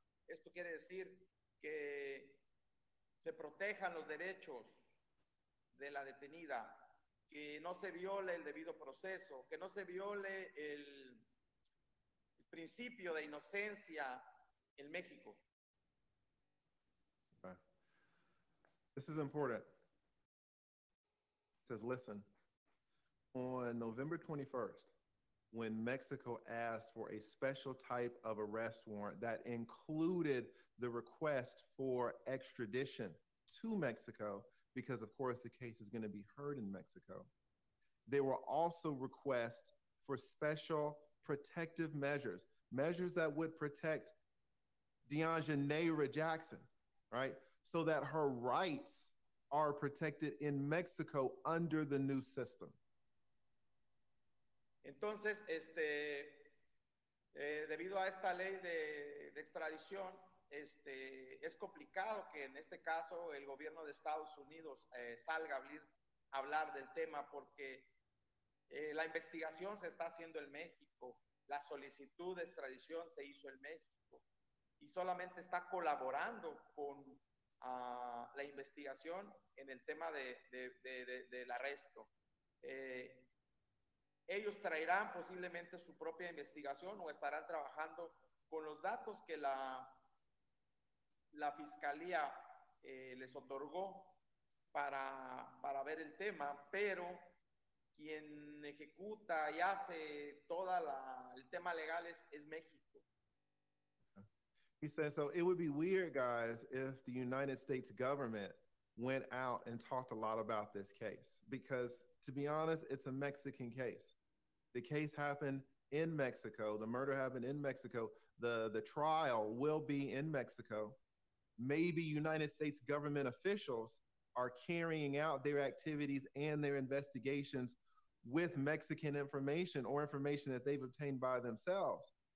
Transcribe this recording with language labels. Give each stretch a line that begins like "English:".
Spanish: Esto quiere decir que se protejan los derechos de la detenida, que no se viole el debido proceso, que no se viole el principio de inocencia en México.
English: This is important. It says, listen, on November 21st, when Mexico asked for a special type of arrest warrant that included the request for extradition to Mexico, because of course the case is going to be heard in Mexico, there were also requests for special protective measures, measures that would protect Daejhanae Jackson, right? So that her rights are protected in Mexico under the new system.
Spanish: Entonces, debido a esta ley de extradición, es complicado que en este caso el gobierno de Estados Unidos salga a hablar del tema, porque la investigación se está haciendo en México, la solicitud de extradición se hizo en México, y solamente está colaborando con la investigación en el tema del arresto. Ellos traerán posiblemente su propia investigación o estarán trabajando con los datos que la fiscalía les otorgó para ver el tema, pero quien ejecuta y hace toda el tema legal es México.
English: He says, so it would be weird, guys, if the United States government went out and talked a lot about this case, because to be honest, it's a Mexican case. The case happened in Mexico. The murder happened in Mexico. The trial will be in Mexico. Maybe United States government officials are carrying out their activities and their investigations with Mexican information or information that they've obtained by themselves.